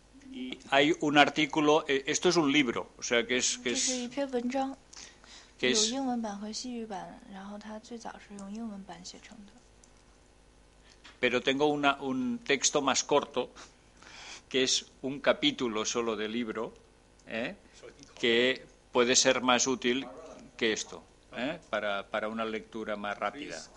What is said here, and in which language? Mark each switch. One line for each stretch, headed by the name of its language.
Spanish: Y hay un artículo, esto es un libro, o sea que es... Que es
Chinese: 有英文版和西语版，然后它最早是用英文版写成的。
Spanish: Pero tengo un texto más corto, que es un capítulo solo de libro, que puede ser más útil que esto, para una lectura más rápida.